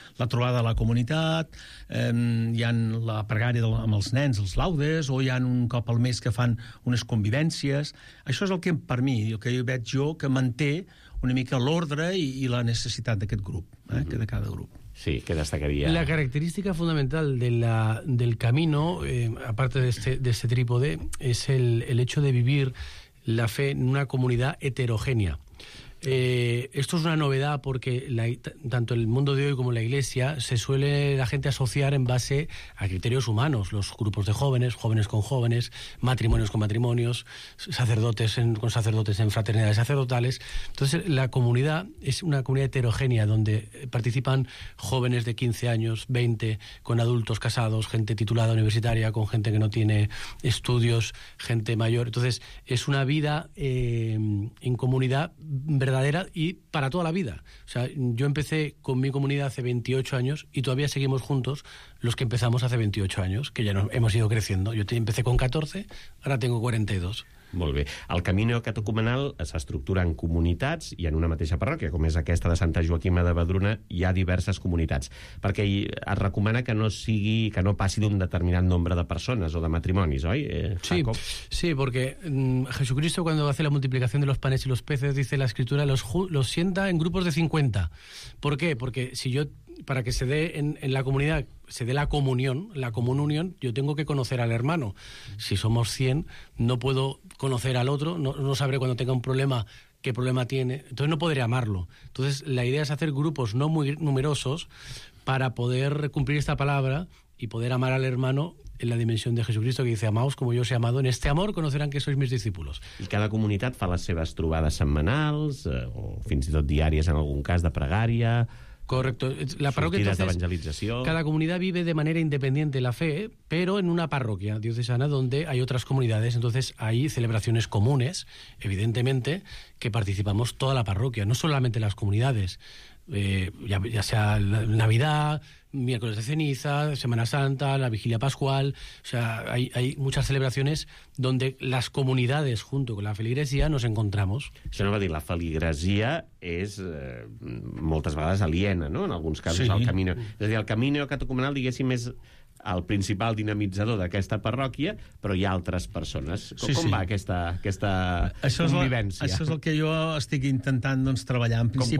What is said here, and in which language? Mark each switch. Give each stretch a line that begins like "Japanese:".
Catalan: La trobada de la comunitat, hi ha la pregària amb els nens, els laudes, o hi ha un cop al mes que fan unes convivències. Això és el que, per mi, el que veig jo, que manté una mica l'ordre i la necessitat d'aquest grup, que de cada grup. Sí, que destacaria.
Spanish: La característica fundamental de del camino, aparte de este trípode, es el hecho de vivir la fe en una comunidad heterogénea. Esto es una novedad porque tanto el mundo de hoy como la Iglesia se suele la gente asociar en base a criterios humanos, los grupos de jóvenes, jóvenes con jóvenes, matrimonios con matrimonios, sacerdotes con sacerdotes en fraternidades sacerdotales. Entonces la comunidad es una comunidad heterogénea donde participan jóvenes de 15 años, 20, con adultos casados, gente titulada universitaria, con gente que no tiene estudios, gente mayor. Entonces es una vida en comunidad verdadera y para toda la vida. O sea, yo empecé con mi comunidad hace 28 años y todavía seguimos juntos los que empezamos hace 28 años, que ya no, hemos ido creciendo. Yo empecé con 14, ahora tengo 42.
Catalan: Molt bé. El camí neocatecumenal s'estructura en comunitats i en una mateixa parròquia, com és aquesta de Santa Joaquima de Vedruna, hi ha diverses comunitats. Perquè es recomana que no passi d'un determinat nombre de persones o de matrimonis, oi, Jacob?
Spanish: Sí, porque Jesucristo, cuando hace la multiplicación de los panes y los peces, dice la Escritura, los sienta en grupos de 50. ¿Por qué? Porque si yo... Para que se dé en la comunidad, se dé la comunión, la común unión, yo tengo que conocer al hermano. Si somos 100, no puedo conocer al otro, no sabré cuando tenga un problema qué problema tiene, entonces no podré amarlo. Entonces la idea es hacer grupos no muy numerosos para poder cumplir esta palabra y poder amar al hermano en la dimensión de Jesucristo, que dice, amaos como yo os he amado, en este amor conocerán que sois mis discípulos.
Catalan: I cada comunitat fa les seves trobades setmanals, o fins i tot diàries en algun cas de pregària...
Spanish: Correcto. La parroquia, entonces, cada comunidad vive de manera independiente la fe, pero en una parroquia diocesana donde hay otras comunidades. Entonces hay celebraciones comunes, evidentemente, que participamos toda la parroquia, no solamente las comunidades, ya sea Navidad, miércoles de ceniza, Semana Santa, la Vigilia Pascual. O sea, hay muchas celebraciones donde las comunidades, junto con la feligresía, nos encontramos.
Catalan: Això no va dir, la feligresia és moltes vegades aliena, no?, en alguns casos, sí. El camí. És a dir, el camí neocatecumenal, diguéssim, és el principal dinamitzador d'aquesta parròquia, però hi ha altres persones. Com va aquesta això convivència? Això és el que jo estic intentant treballar en principi.